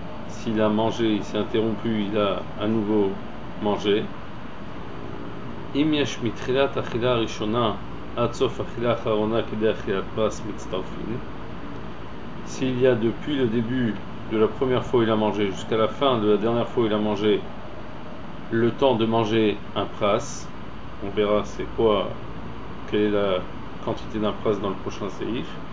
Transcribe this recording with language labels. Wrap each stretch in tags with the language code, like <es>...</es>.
<fr>S'il a mangé, il s'est interrompu, il a à nouveau mangé.</fr> <he>אם יש מתחילת אכילה ראשונה עד סוף אכילה אחרונה כדי אכילת פס מצטרפים.</he> <fr>S'il y a depuis le début de la première fois il a mangé jusqu'à la fin de la dernière fois il a mangé le temps de manger un pras, on verra c'est quoi, quelle est la quantité d'un pras dans le prochain séif.</fr>